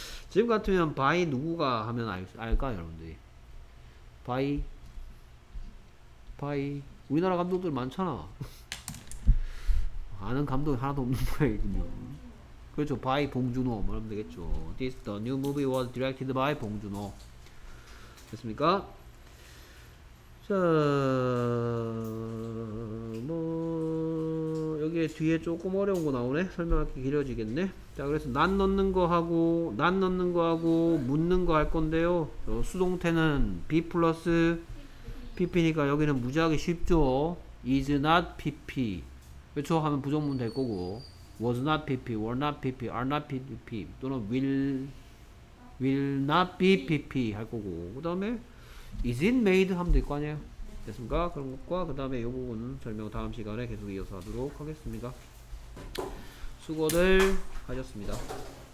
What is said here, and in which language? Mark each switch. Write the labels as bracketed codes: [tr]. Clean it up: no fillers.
[ko] 지금 같으면 바이 누구가 하면 알까 여러분들이? 바이 우리나라 감독들 많잖아. 아는 감독이 하나도 없는 모양이군요. 그렇죠. 바이 봉준호 말하면 되겠죠. [en] This the new movie was directed by 봉준호. [ko] 됐습니까? 자, 뭐 여기 뒤에 조금 어려운 거 나오네. 설명할 게 길어지겠네. 자, 그래서 난 넣는 거하고 묻는 거 할 건데요. 수동태는 be 플러스 pp니까 여기는 무지하게 쉽죠. [en] is not pp. [ko] 그렇죠? 하면 부정문 될 거고. [en] was not pp, were not pp, are not pp [ko] 또는 [en] will not be pp [ko] 할 거고. 그다음에 [en] is it made [ko] 하면 될 거 아니에요? 됐습니까? 그런 것과 그 다음에 이 부분은 설명 다음 시간에 계속 이어서 하도록 하겠습니다. 수고들 하셨습니다.